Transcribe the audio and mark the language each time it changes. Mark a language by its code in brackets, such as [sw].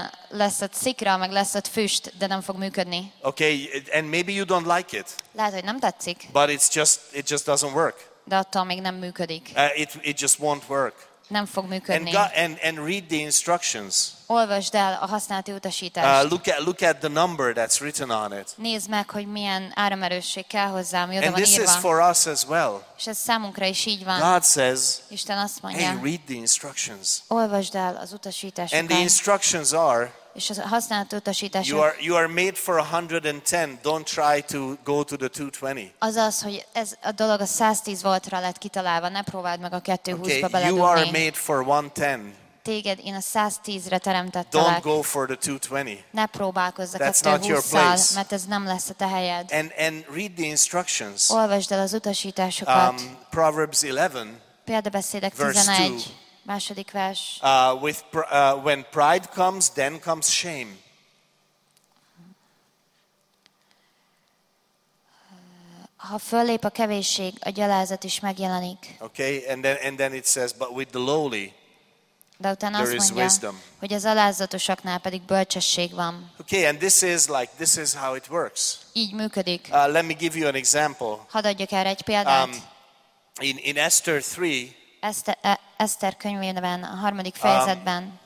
[hu] Lesz ott szikra, meg lesz ott füst, de nem fog működni. [en] Okay, and maybe you don't like it. [hu] Lehet, hogy nem tetszik. [en] But it just doesn't work. [hu] De attól még nem működik. [en] It just won't work. [hu] Nem fog működni. [en] And read the instructions. [hu] Olvasd el a használati utasítást. [en] Look at the number that's written on it. [hu] Nézd meg, hogy milyen áramerősség kell hozzá, mi oda van írva. [en] This is for us as well. [hu] És ez számunkra is így van. [en] God says, [hu] Isten azt mondja, [en] hey, read the instructions. [hu] Olvasd el az utasításokat. [en] And the instructions are, [hu] és a használati utasítások. [en] You are made for 110. Don't try to go to the 220. [hu] Azaz, hogy ez a dolog a 110 voltra lett kitalálva. Ne próbáld meg a 220-ba [en] okay, [hu] beledugni. [en] You are made for 110. [hu] Téged én a 110-re teremtettelek. [en] Don't go for the 220. [hu] Ne próbálkozz a 220-szal, mert ez nem lesz a te helyed. [en] And read the instructions. [hu] Olvasd el az utasításokat. [en] Proverbs 11. [hu] Példabeszédek 11. Második vers. [en] When pride comes, then comes shame. [hu] Ha fölép a kevésség, a gyalázat is megjelenik. [en] Okay, and then it says, but with the lowly, [hu] de utána azt mondja, wisdom. Hogy az alázatosaknál pedig bölcsesség van. [en] Okay, and this is how it works. [hu] Így működik. [en] Let me give you an example. [hu] Hadd adjak erre egy példát. [en] In Esther 3. [hu] Eszter könyvében, a harmadik fejezetben.